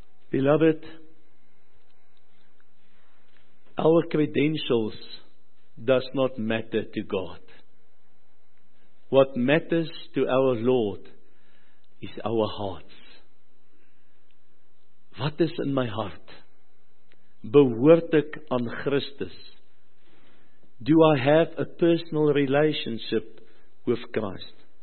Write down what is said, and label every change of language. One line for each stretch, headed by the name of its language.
English: Beloved, our credentials does not matter to God. What matters to our Lord is our hearts.
Afrikaans: Wat is in my hart? Behoort ek aan Christus?
English: Do I have a personal relationship with Christ?